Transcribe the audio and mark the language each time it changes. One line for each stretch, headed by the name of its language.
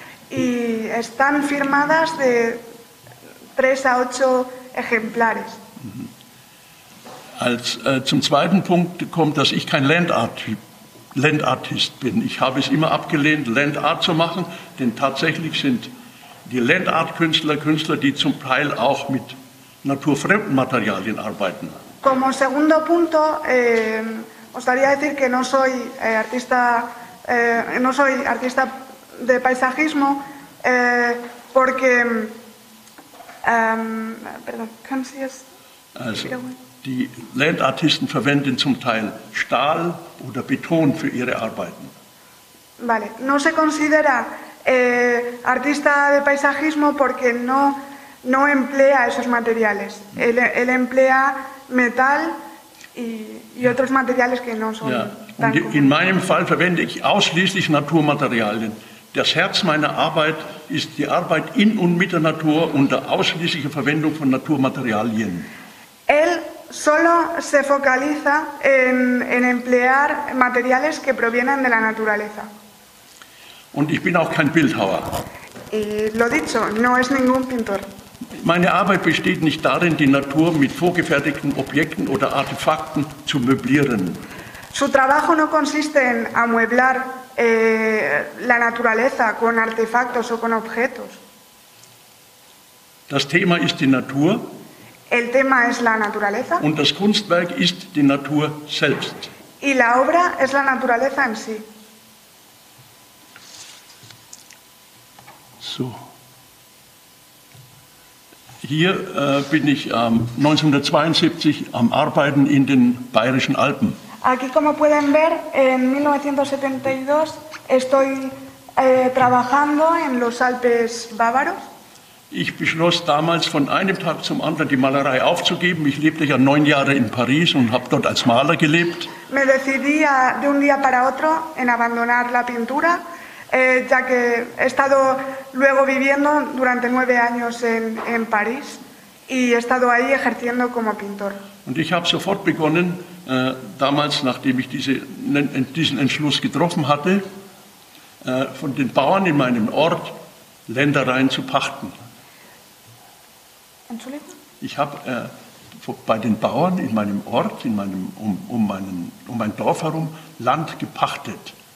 Spanish: Y están firmadas de 3 a 8 Ejemplares.
German: Zum zweiten Punkt kommt, dass ich kein Landartist bin. Ich habe es immer abgelehnt, Landart zu machen, denn tatsächlich sind die Landart-Künstler, die zum Teil auch mit naturfremden Materialien arbeiten.
Spanish: Como segundo punto, gustaría decir que no soy artista, no soy artista de paisajismo, porque, perdón, ¿cómo se dice?
German: Die Landartisten verwenden zum Teil Stahl oder Beton für ihre Arbeiten.
Spanish: Vale, no se considera artista de paisajismo porque no emplea esos materiales. Él emplea Metall y otros materiales que no son.
German: Ja. Und in meinem Fall verwende ich ausschließlich Naturmaterialien. Das Herz meiner Arbeit ist die Arbeit in und mit der Natur unter ausschließlicher Verwendung von Naturmaterialien.
Spanish: Él solo se focaliza en emplear materiales que provienen de la naturaleza.
German: Und ich bin auch kein Bildhauer.
Spanish: Y lo dicho, no es ningún pintor.
German: Meine Arbeit besteht nicht darin, die Natur mit vorgefertigten Objekten oder Artefakten zu möblieren.
Spanish: Su trabajo no consiste en amueblar la naturaleza con artefactos o con objetos.
German: Das Thema ist die Natur.
Spanish: El tema es la naturaleza.
German: Und das Kunstwerk ist die Natur selbst.
Spanish: Y la obra es la naturaleza en sí.
German: So. Hier bin ich 1972 am Arbeiten in den Bayerischen Alpen.
Spanish: Aquí, como pueden ver, en 1972 estoy trabajando en los Alpes Bávaros.
German: Ich beschloss damals von einem Tag zum anderen die Malerei aufzugeben. Ich lebte ja 9 Jahre in Paris und habe dort als Maler gelebt.
Spanish: Me decidí de un día para otro en abandonar la pintura, ya que he estado luego viviendo durante 9 años en París y he estado ahí ejerciendo como pintor.
German: Und ich habe sofort begonnen, damals, nachdem ich diesen Entschluss getroffen hatte, von den Bauern in meinem Ort Ländereien zu pachten. Entschuldigung? Ich habe bei den Bauern in meinem Ort, in meinem, mein Dorf herum, Land gepachtet.